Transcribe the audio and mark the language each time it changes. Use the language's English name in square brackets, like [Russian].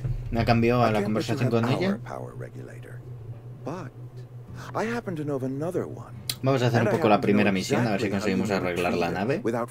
[Spanish] Me ha cambiado a la conversación con ella. [English] Power regulator. But I happen to know of another one. [Spanish] Vamos a hacer un poco la primera misión, a ver si conseguimos arreglar la nave.